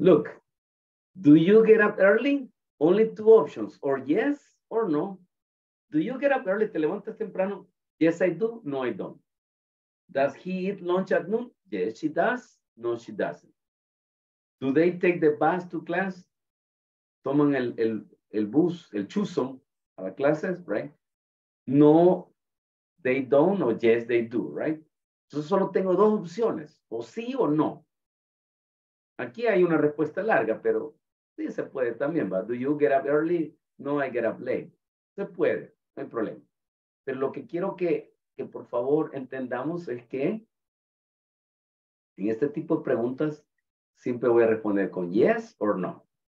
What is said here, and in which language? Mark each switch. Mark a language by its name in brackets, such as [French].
[English] Look, do you get up early? Only two options, or yes or no. Do you get up early? [Spanish] ¿Te levantas temprano? [English] Yes, I do. No, I don't. Does he eat lunch at noon? Yes, she does. No, she doesn't. Do they take the bus to class? [Spanish] ¿Toman el bus, el chuzo a las clases, [English] right? No, they don't, or yes, they do, right? [Spanish] Entonces solo tengo dos opciones, o sí o no. Aquí hay una respuesta larga, pero sí se puede también, ¿va? [English] Do you get up early? No, I get up late. [Spanish] Se puede, no hay problema. Pero lo que quiero que por favor entendamos es que en este tipo de preguntas siempre voy a responder con yes or no.